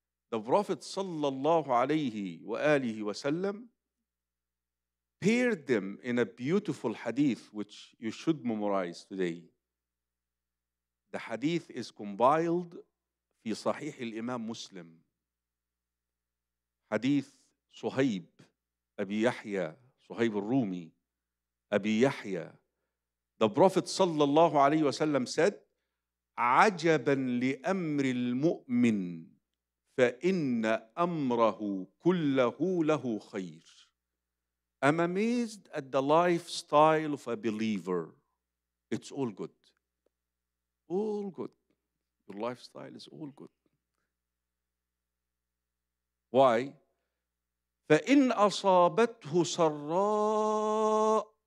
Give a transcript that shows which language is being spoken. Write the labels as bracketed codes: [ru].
[en] The Prophet sallallahu alayhi wa alihi wa sallam paired them in a beautiful hadith, which you should memorize today. The hadith is compiled [ar] في صحيح الإمام مسلم. حديث صهيب أبي يحيى صهيب الرومي أبي يحيى. [en] The Prophet [ar] صلى الله عليه وسلم [en] said, [ar] عجبا لأمر المؤمن فإن أمره كله له خير. [en] I'm amazed at the lifestyle of a believer. It's all good. All good. Your lifestyle is all good. Why? [ar] فَإِنْ أَصَابَتْهُ سَرَّاءُ.